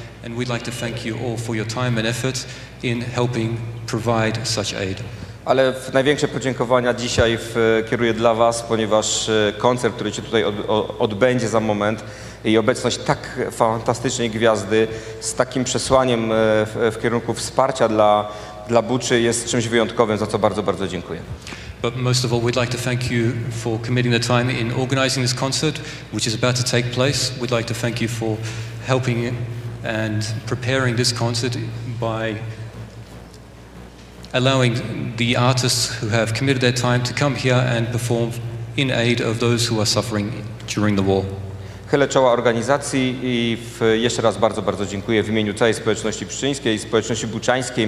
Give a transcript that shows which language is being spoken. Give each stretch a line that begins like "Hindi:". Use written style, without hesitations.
English: And we'd like to thank you all for your time and effort in helping provide such aid.
Polish: Ale największe podziękowania dzisiaj kieruję dla was, ponieważ koncert, który się tutaj odbędzie za moment i obecność tak fantastycznej gwiazdy z takim przesłaniem w kierunku wsparcia dla Buczy jest czymś wyjątkowym, za co bardzo, bardzo dziękuję.
English: But most of all, we'd like to thank you for committing the time in organizing this concert, which is about to take place. We'd like to thank you for helping and preparing this concert by allowing the artists who have committed their time to come here and perform in aid of those who are suffering during the war.
Polish: Chylę czoła organizacji i jeszcze raz bardzo, bardzo dziękuję w imieniu całej społeczności pszczyńskiej i społeczności buczańskiej.